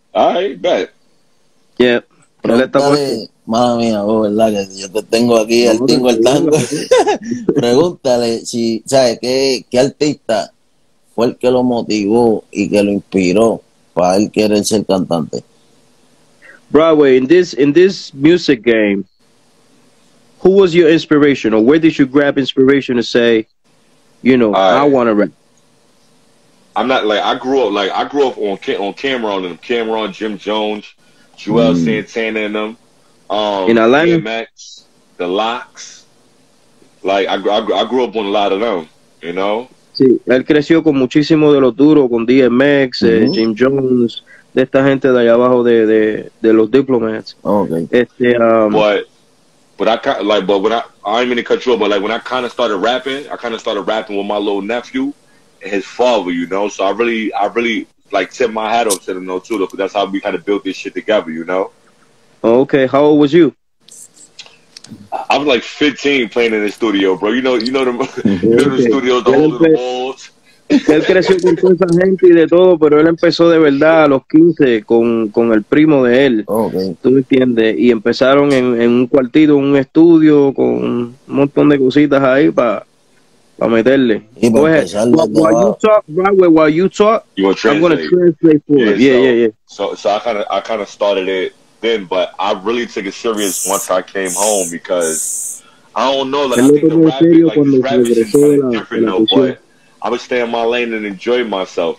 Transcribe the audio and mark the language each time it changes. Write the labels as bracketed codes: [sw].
[en] All right, bet. Yeah. [es] Pregúntale, madre mía, vos, ¿verdad? Que yo te tengo aquí el tingo el tango. Pregúntale si, ¿sabes qué artista fue el que lo motivó y que lo inspiró para él querer ser cantante? [en] Broadway, in this music game, who was your inspiration or where did you grab inspiration to say, you know, I want to rap? I grew up on Cameron and Cameron, Jim Jones, Joel Santana and them. In Atlanta? DMX, The Lox. Like, I grew up on a lot of them, you know? [es] Sí, él creció con muchísimo de los duros, con DMX, Jim Jones, de esta gente de allá abajo de los diplomats. [en] Okay. But when I kind of started rapping with my little nephew and his father, you know? So I really like tip my hat off to them though, too, because that's how we kind of built this shit together, you know? Okay, how old was you? I'm like 15 playing in the studio, bro. You know the studios, the old walls. [es] Él creció con toda esa gente y de todo, pero él empezó de verdad a los 15 con el primo de él. [en] Okay. [es] ¿Tú entiendes? Y empezaron en un cuartito, un estudio, con un montón de cositas ahí para meterle. Y para empezar. [en] I'm going to translate for you. So I kind of started it. Then, but I really took it serious once I came home because I don't know. I would stay in my lane and enjoy myself.